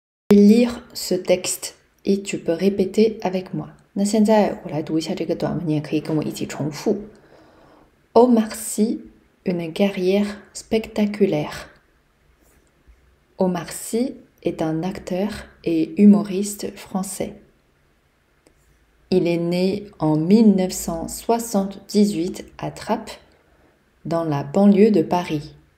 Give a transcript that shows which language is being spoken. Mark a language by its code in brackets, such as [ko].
[fr] Lire ce texte et tu peux répéter avec moi. [zh] 那现在我来读一下这个短文，你也可以跟我一起重复。 [fr] Omar Sy, une carrière spectaculaire. Omar Sy est un acteur et humoriste français. Il est né en 1978 à Trappes, dans la banlieue de Paris.